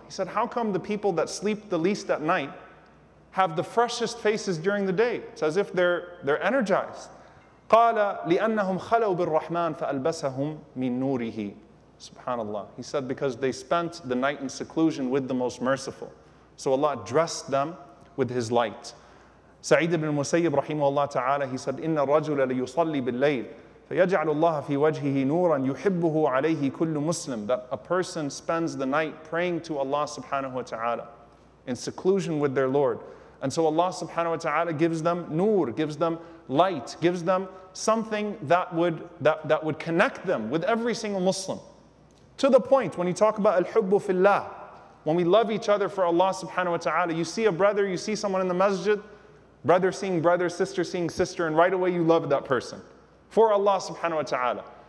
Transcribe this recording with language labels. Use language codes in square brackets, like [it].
[en] He said, how come the people that sleep the least at night have the freshest faces during the day? It's as if they're energized. [ar] قَالَ لِأَنَّهُمْ خَلَوْا بِالرَّحْمَنِ فَأَلْبَسَهُمْ مِنْ نُورِهِ. Subhanallah. [en] He said, because they spent the night in seclusion with the Most Merciful. So Allah dressed them with His light. [ar] Sa'id ibn Musayyib rahimahullah ta'ala, [en] he said, [ar] إِنَّ الرَّجُلَ لَيُصَلِّ بِاللَّيْلِ فَيَجْعَلُ اللَّهَ فِي وَجْهِهِ نُورًا يُحِبُّهُ عَلَيْهِ كُلُّ مُسْلِمٍ. [en] That a person spends the night praying to Allah subhanahu wa ta'ala in seclusion with their Lord. And so Allah subhanahu wa ta'ala gives them nur, gives them light, gives them something that would connect them with every single Muslim. To the point, when you talk about al-hubbu fillah, when we love each other for Allah subhanahu wa ta'ala, you see a brother, you see someone in the masjid, brother seeing brother, sister seeing sister, and right away you love that person for Allah subhanahu wa ta'ala.